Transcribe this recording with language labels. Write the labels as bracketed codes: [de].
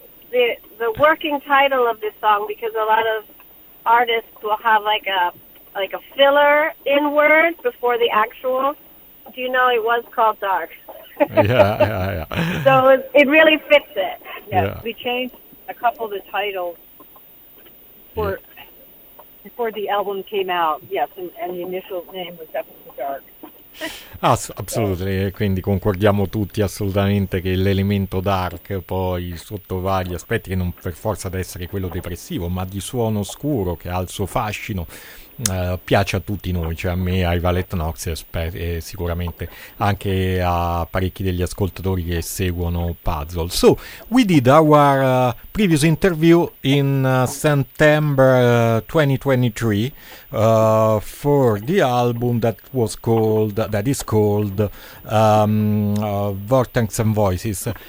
[en] the working title of this song, because a lot of artists will have like a filler in words before the actual. Do you know it was called Dark? Yeah. So it really fits it. Yes. We changed a couple of the titles before the album came out. Yes, and the initial name was definitely Dark. [it] Assolutamente, quindi concordiamo tutti assolutamente che l'elemento dark, poi sotto vari aspetti, che non per forza deve essere quello depressivo, ma di suono scuro, che ha il suo fascino, piace a tutti noi, cioè a me, ai Violet Knox e sicuramente anche a parecchi degli ascoltatori che seguono Puzzle. [en] So, we did our previous interview in September 2023 for the album that is called Vortex and Voices.